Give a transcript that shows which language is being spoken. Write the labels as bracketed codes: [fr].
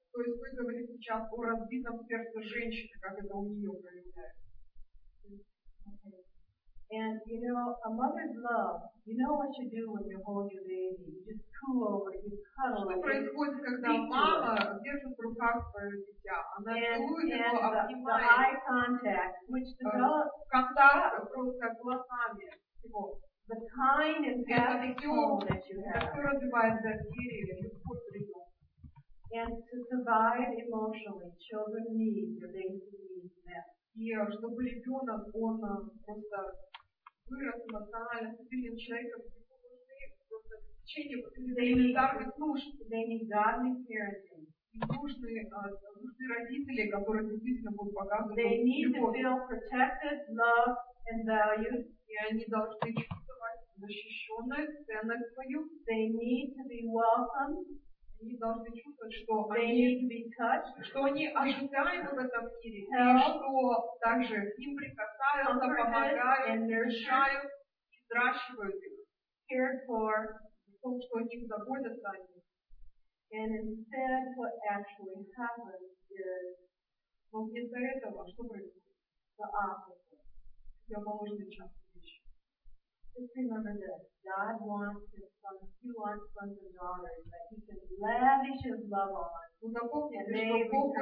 [ru] То есть мы говорим сейчас о разбитом сердце женщины, как это у нее проявляется. [en] And you know, a mother's love, you know what you do when you hold your baby. You just coo over it, you cuddle [ru] it. Что происходит, когда мама держит в руках свое дитя? Она целует его, обнимает. [en] And the eye contact, which develops. [ru] Контакт просто глазами. [en] The kind and gentle tone that you have. [ru] Это развивает доверие, любовь к ребенку. [en] And to survive emotionally, children need your baby needs that. [ru] И чтобы ребенок, он просто вырос эмоционально, стабильным человеком, ему нужны просто в течение вот этих элементарных нужд. [en] They need godly parenting. [ru] И нужны, нужны родители, которые действительно будут показывать [en] They need [ru] любовь. [en] To feel protected, loved, and valued. [ru] И они должны чувствовать защищенность, ценность свою. [en] They need to be welcomed. [ru] Они должны чувствовать, что [en] they [ru] они, [en] need to be touched, [ru] что они ожидают в этом мире, [en] help, [ru] и что также к ним прикасаются, помогают, утешают, взращивают их, [en] cared for, [ru] в том, что о них заботятся о них. [en] And instead, what actually happens is, [ru] но вместо этого, что происходит? [en] The opposite. [ru] Я помогу тебе часто вещи. [en] Just remember this. God wants his sons, he wants sons and daughters that he can lavish his love on.